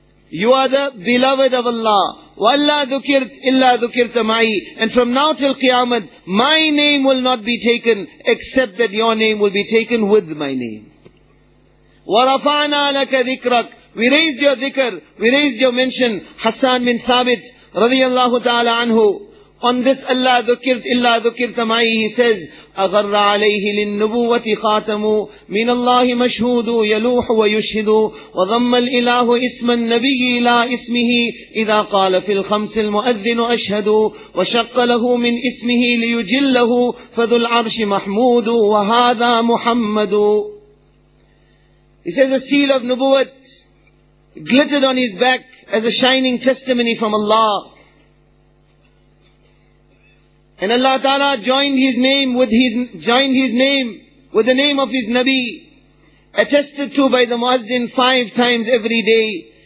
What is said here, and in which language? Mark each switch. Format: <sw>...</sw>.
<en>You are the beloved of Allah.</en> <ar>وَأَلَّا ذُكِرْتْ إِلَّا ذُكِرْتَ مَعِي.</ar> <en>And from now till Qiyamah, my name will not be taken except that your name will be taken with my name.</en> <ar>وَرَفَعْنَا لَكَ ذِكْرَكْ.</ar> <en>We raised your dhikr, we raised your mention.</en> <ar>Hassan bin Thabit, radiyallahu ta'ala anhu,</ar> <en>on this</en> <ar>أَلَّا ذُكِرْتْ إِلَّا ذُكِرْتَ مَعِي,</ar> <en>he says,</en> <ar>أَغَرَّ عَلَيْهِ لِلنُّبُوَّةِ خَاتَمُ مِنَ اللَّهِ مَشْهُودُ يَلُوحُ وَيُشْهِدُ وَضَمَّ الْإِلَهُ إِسْمَ النَّبِيِّ إِلَىٰ إِسْمِهِ إِذَا قَالَ فِي الْخَمْسِ الْمُؤَذِّنُ أَشْهَدُ وَشَقَّ لَهُ مِنْ إِسْمِهِ لِيُجِلَّهُ فَذُو الْعَرْشِ مَحْمُودُ وَهَذَا مُحَمَّدُ.</ar> <en>He says the seal of Nubuwat glittered on his back as a shining testimony from Allah. And Allah Ta'ala joined his name with the name of his Nabi, attested to by the Muazzin 5 times every day.</en>